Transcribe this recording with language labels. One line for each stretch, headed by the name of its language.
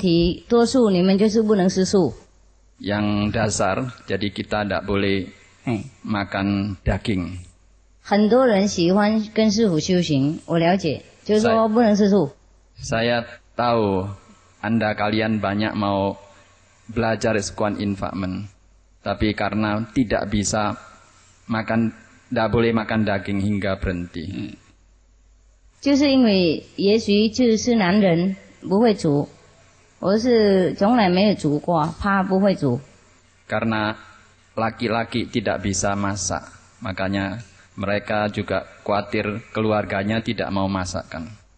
Chinese: 基本的问题，多数你们就是不能吃素。
Indonesian: Yang dasar, jadi kita tidak boleh makan daging.
Chinese: 很多人喜欢跟师父修行，我了解，就是说不能吃素。
Indonesian: Saya tahu. Anda kalian banyak mau belajar sekuan infakmen, tapi karena tidak bisa makan, tidak boleh makan daging hingga berhenti.
Chinese: 就是因为也许就是男人不会煮，我是从来没有煮过，怕不会煮。
Indonesian: Karena laki-laki tidak bisa masak, makanya mereka juga khawatir keluarganya tidak mau masakkan.